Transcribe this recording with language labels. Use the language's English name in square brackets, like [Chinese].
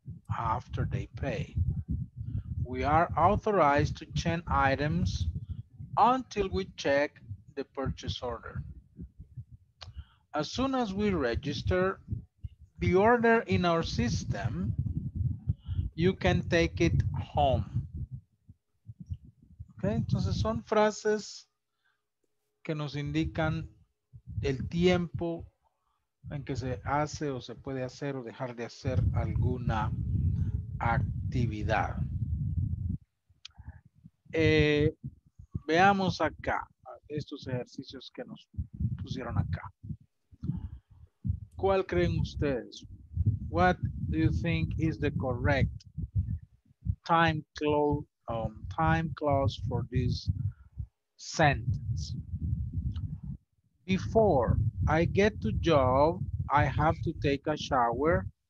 [English] After they pay. We are authorized to check items until we check the purchase order. As soon as we register the order in our system, you can take it home. [Spanish] Okay, entonces son frases que nos indican el tiempo en que se hace o se puede hacer o dejar de hacer alguna actividad. Veamos acá estos ejercicios que nos pusieron acá. ¿Cuál creen ustedes? [English] What do you think is the correct time clause for this sentence? Before I get to job, I have to take a shower.